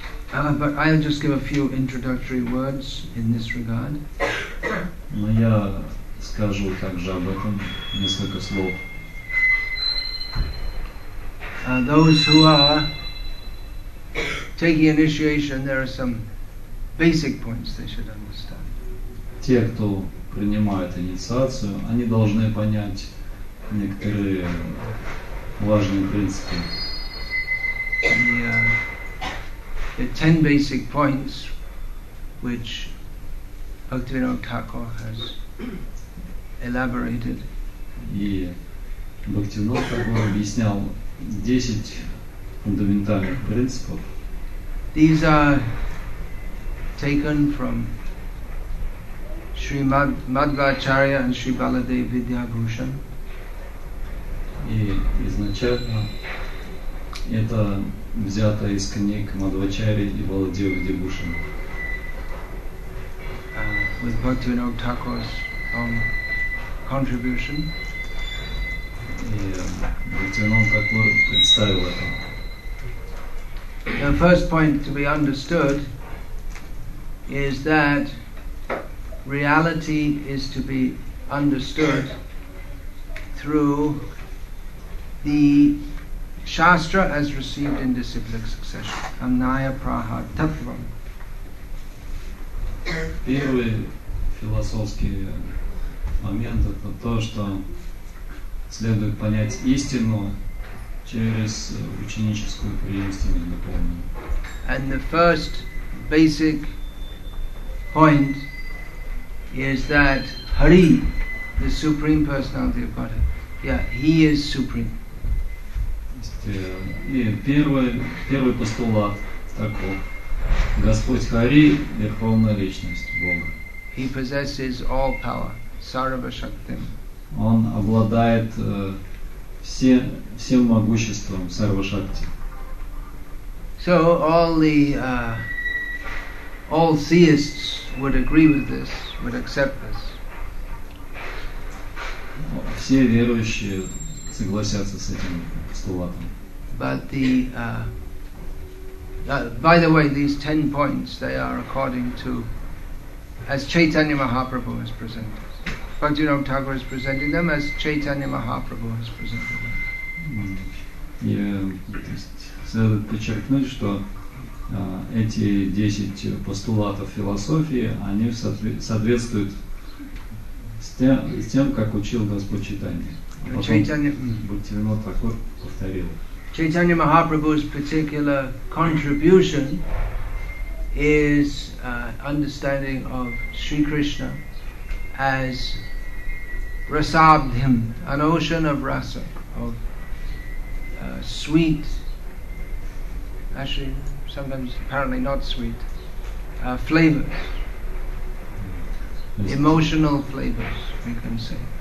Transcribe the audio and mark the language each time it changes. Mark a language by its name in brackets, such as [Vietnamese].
[English] But I'll just give a few introductory words in this regard. [Russian] Но я скажу также об этом несколько слов. [English] Those who are taking initiation, there are some basic points they should understand. [Russian] Те, кто принимает инициацию, они должны понять некоторые важные принципы. [English] The 10 basic points which Bhaktivinoda Thakur has elaborated. [Russian] И Бхактивинода Тхакур объяснял 10 фундаментальных принципов. [English] These are taken from Sri Madhvacharya and Sri Baladev Vidyabhushan. [Russian] И изначально это взято из книг Мадхвачари и Баладева Видьябхушана. [English] With Bhaktivinoda Thakur's contribution. [Russian] Bhaktivinoda Thakur представил это. [English] The first point to be understood is that reality is to be understood through the Shastra as received in disciplic succession. [Sanskrit] Anaya Praha Tattvam. [Russian] Первый философский момент это то, что следует понять истину через ученическую преемственность дополнение. [English] And the first basic point is that Hari, the Supreme Personality of Godhead, He is supreme. [Russian] И первый постулат таков. Господь Хари – верховная личность Бога. [English] He possesses all power, sarva-shaktim. [Russian] Он обладает всем могуществом, сарва-шакти. [English] So all theists would agree with this, would accept this. [Russian] Все верующие согласятся с этим постулатом. [English] But the By the way, these 10 points, they are according to, as Chaitanya Mahaprabhu has presented. Bhaktivinoda Thakur has presented them as Chaitanya Mahaprabhu has presented them. [Russian] Следует подчеркнуть, что эти 10 постулатов философии, они соответствуют с тем, как учил Господь Чайтанья. Бхактивинода Тхакур повторил. [English] Chaitanya Mahaprabhu's particular contribution is understanding of Sri Krishna as rasabdhim, an ocean of rasa, of sweet, actually sometimes apparently not sweet, flavors, emotional flavors, we can say.